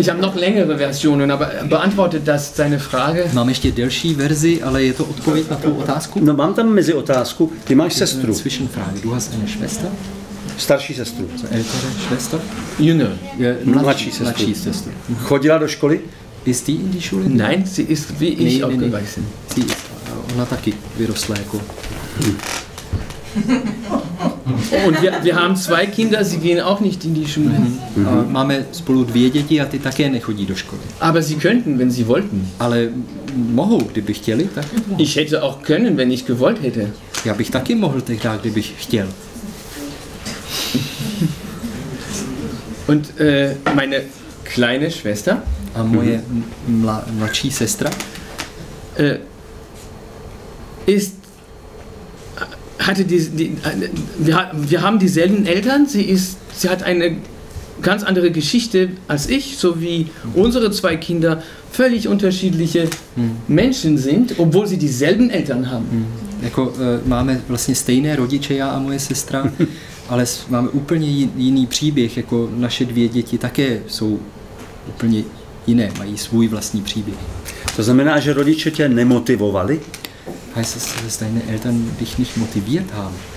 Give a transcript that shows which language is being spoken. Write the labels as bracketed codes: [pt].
[de] Ich habe noch längere Versionen, aber beantwortet das seine Frage? [cs] Mám ještě delší verzi, ale je to odpověď na tu otázku? No, mám tam mezi otázku. Ty máš sestru. [de] Zwischenfrage. Du hast eine Schwester? [cs] Starší sestru. [de] Ältere Schwester? Jünger. [cs] Mladší sestru. Mladší sestru. Chodila do školy? [de] Ist die in die Schule? Nein, sie ist wie ich aufgewachsen. Sie ist, [cs] ona taky vyrostla jako... [de] Und wir haben zwei Kinder, sie gehen auch nicht in die Schule. Mhm. [cs] Máme spolu dvě děti a ty také nechodí do školy. [de] Aber sie könnten, wenn sie wollten. [cs] Ale mohou, kdyby chtěli, tak. [de] Ich hätte auch können, wenn ich gewollt hätte. [cs] Já bych taky mohl tehdy, kdybych chtěl. [de] Und meine kleine Schwester? [cs] A moje mladší sestra? [de] Ist hatte wir haben dieselben Eltern, sie hat eine ganz andere Geschichte als ich, so wie unsere zwei Kinder völlig unterschiedliche Menschen sind, obwohl sie dieselben Eltern haben. [cs] Jako máme vlastně stejné rodiče, já a moje sestra, ale máme úplně jiný příběh, jako naše dvě děti také jsou úplně jiné, mají svůj vlastní příběh. To znamená, že rodiče tě nemotivovali? [de] Heißt das, dass deine Eltern dich nicht motiviert haben?